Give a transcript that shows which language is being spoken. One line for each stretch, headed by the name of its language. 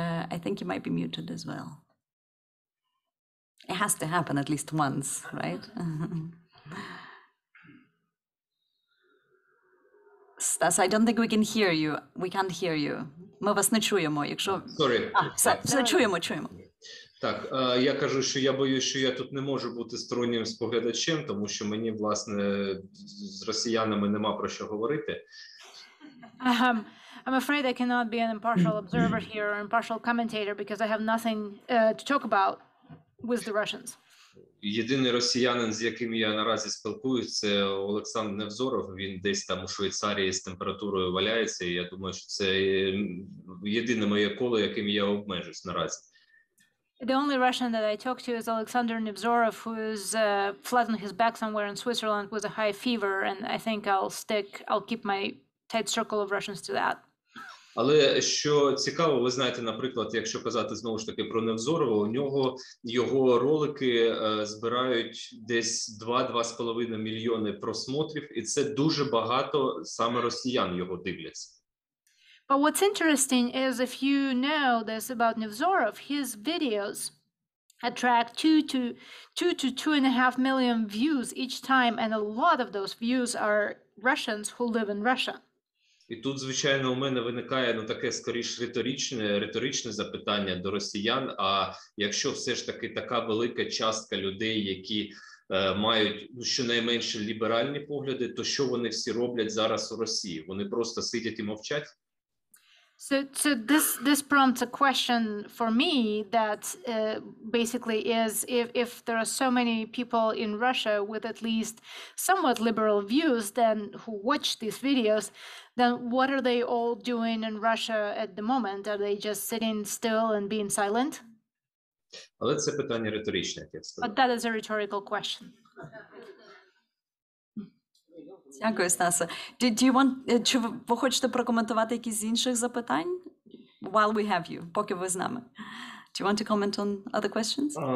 English: I think you might be muted as well. It has to happen at least once, right? Стас, I don't think we can hear you. We can't hear you.
Ukrainian: Ми вас не чуємо, якщо...
English: Sorry.
Ukrainian: Чуємо. Так, я кажу, що я боюсь, що я тут не можу бути стороннім споглядачем, тому що мені, власне, з росіянами нема про що говорити.
English: I'm afraid I cannot be an impartial observer here or impartial commentator because I have nothing to talk about with the Russians.
Ukrainian: Єдиний росіянин, з яким я наразі спілкуюся, це Олександр Невзоров. Він десь там у Швейцарії з температурою валяється, і я думаю, що це єдине моє коло, яким я обмежусь наразі.
English: The only Russian that I talk to is Alexander Nevzorov, who is flat on his back somewhere in Switzerland with a high fever, and I think I'll keep my tight circle of Russians to that.
Ukrainian: Але що цікаво, ви знаєте, наприклад, якщо казати знову ж таки про Невзорова, у нього його ролики збирають десь 2-2.5 мільйони просмотрів, і це дуже багато саме росіян його дивляться.
English: But what's interesting is, if you know this about Nevzorov, his videos attract 2 to 2.5 million views each time, and a lot of those views are Russians who live in Russia.
Ukrainian: І тут, звичайно, у мене виникає, ну, таке, скоріш, риторичне запитання до росіян, а якщо все ж таки така велика частка людей, які мають, ну, щонайменше ліберальні погляди, то що вони всі роблять зараз у Росії? Вони просто сидять і мовчать?
English: So this prompts a question for me that basically is, if there are so many people in Russia with at least somewhat liberal views then who watch these videos, then what are they all doing in Russia at the moment? Are they just sitting still and being silent?
Ukrainian: Але це питання риторичне, як я сказав.
English: But that is a rhetorical question.
Ukrainian: Дякую, Стаса. Чи ви хочете прокоментувати якісь з інших запитань?
English: While we have you,
Ukrainian: поки ви з нами.
English: Do you want to comment on other questions?